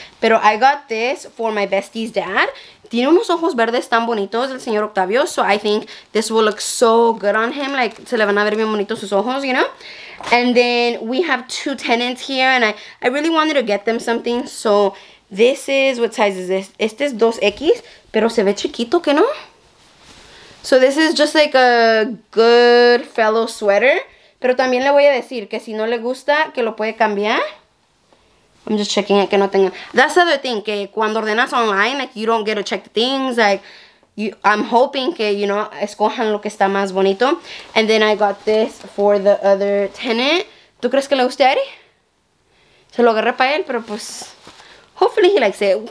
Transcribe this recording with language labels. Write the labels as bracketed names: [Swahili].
[English] Pero I got this for my bestie's dad. [Spanish] Tiene unos ojos verdes tan bonitos el señor Octavio, [English] so I think this will look so good on him. [Spanish] Like, se le van a ver bien bonitos sus ojos, [English] you know? And then we have 2 tenants here, and I really wanted to get them something. So this is, what size is this? [Spanish] Este es 2X, pero se ve chiquito, ¿qué no? [English] So this is just like a good fellow sweater. [Spanish] Pero también le voy a decir que si no le gusta, que lo puede cambiar. [English] I'm just checking it, [Spanish] que no tenga. [English] That's the other thing, [Spanish] que cuando ordenas online, [English] like, you don't get to check the things. Like, you, I'm hoping que, you know, [Spanish] escojan lo que está más bonito. [English] And then I got this for the other tenant. [Spanish] ¿Tú crees que le guste a Eri? Se lo agarré para él, pero pues, [English] Hopefully he likes it.